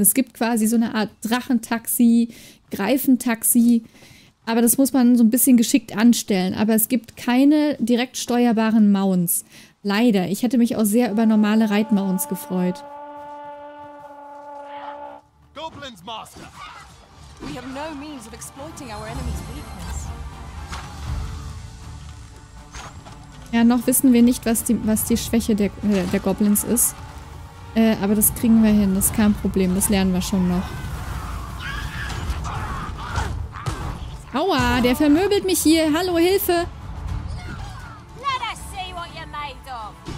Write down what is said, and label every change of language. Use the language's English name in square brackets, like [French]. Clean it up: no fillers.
[German] Es gibt quasi so eine Art Drachentaxi, Greifentaxi. Aber das muss man so ein bisschen geschickt anstellen. Aber es gibt keine direkt steuerbaren Mounts. Leider. Ich hätte mich auch sehr über normale Reitmounts gefreut. [English] Goblins Master! We have no means of exploiting our enemy's weakness. [German] Ja, noch wissen wir nicht, was die Schwäche der Goblins ist. Aber das kriegen wir hin. Das ist kein Problem. Das lernen wir schon noch. Aua, der vermöbelt mich hier. Hallo, Hilfe! [English] Let us see what you're made of.